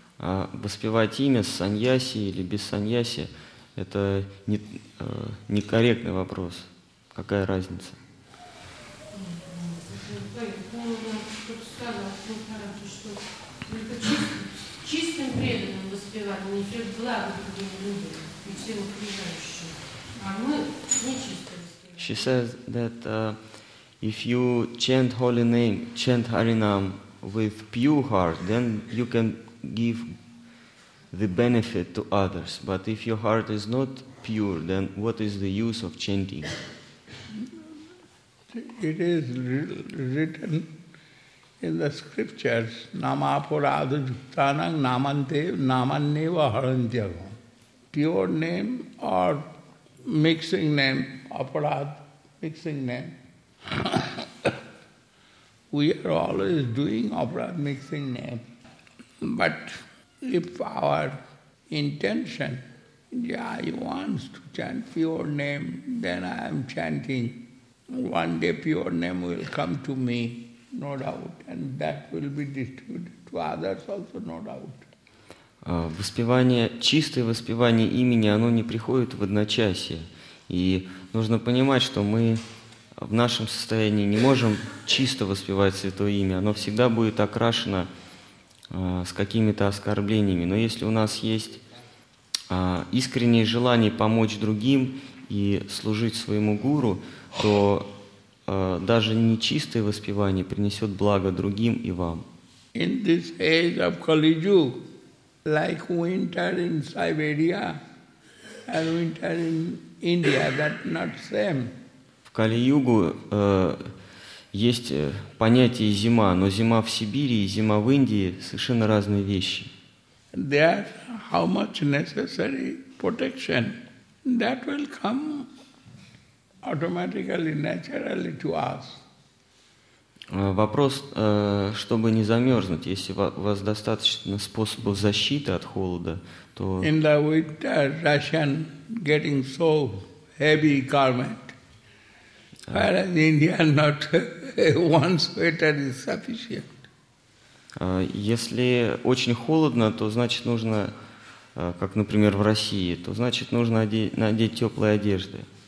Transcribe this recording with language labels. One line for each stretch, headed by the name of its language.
Russian: Воспевать имя с саньяси или без саньяси – это некорректный вопрос. Какая разница? Чистым преданным воспевать, не все благо другим и всем окружающим. А мы нечистым.
English: She says that if you chant holy name, chant Harinam with pure heart, then you can give the benefit to others. But if your heart is not pure, then what is the use of chanting? It is written in the scriptures,
Sanskrit: Namapuradhutanang Namanteva Harantyagam.
English: Pure name or mixing name, aparadh, mixing name. We are always doing aparadh, mixing name. But if our intention, I want to chant pure name, then I am chanting. One day pure name will come to me, no doubt, and that will be distributed to others also, no doubt.
Russian: Воспевание, чистое воспевание имени, оно не приходит в одночасье. И нужно понимать, что мы в нашем состоянии не можем чисто воспевать Святое Имя. Оно всегда будет окрашено с какими-то оскорблениями. Но если у нас есть искреннее желание помочь другим и служить своему гуру, то даже нечистое воспевание принесет благо другим и вам.
English: In this age of Kali-yuga, like winter in Siberia and winter in India, that's not same.
Russian: В Кали-югу есть понятие зима, но зима в Сибири и зима в Индии совершенно разные вещи.
English: There, how much necessary protection that will come automatically, naturally to us.
Russian: Вопрос, чтобы не замерзнуть, если у вас достаточно способов защиты от холода, то...
English: In the winter, Russian getting so heavy garment, whereas Indian not one sweater is sufficient.
Russian: Если очень холодно, то значит нужно, как, например, в России, то значит нужно надеть теплые одежды.